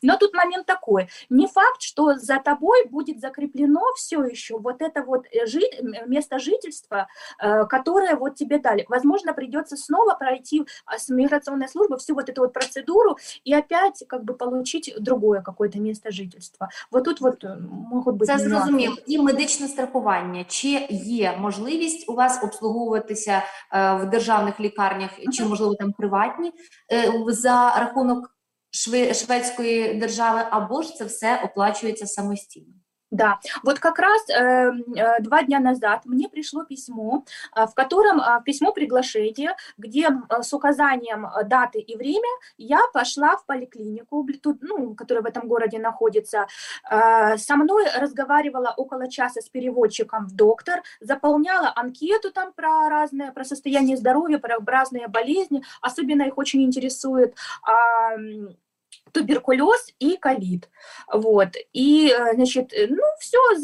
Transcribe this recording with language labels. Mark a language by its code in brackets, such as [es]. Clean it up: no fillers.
[ru] Но тут момент такой. Не факт, что за тобой будет закреплено все еще вот это вот место жительства, которое вот тебе дали. Возможно, придется снова пройти с миграционной службы всю вот эту вот процедуру и опять как бы получить другое какое-то место жительства. Вот тут вот могут быть... [uk] Это зрозуміло. И медичне страхування. Чи є можливість у вас обслуговуватися в державних лікарнях чи, можливо, там приватні за рахунок шведської держави, або ж це все оплачується самостійно? [ru] Да, вот как раз 2 дня назад мне пришло письмо, в котором письмо приглашение, где с указанием даты и время я пошла в поликлинику, которая в этом городе находится. Со мной разговаривала около часа с переводчиком в доктор, заполняла анкету там про разное, про состояние здоровья, про разные болезни, особенно их очень интересует туберкулез и ковид, вот, и, значит, ну, все,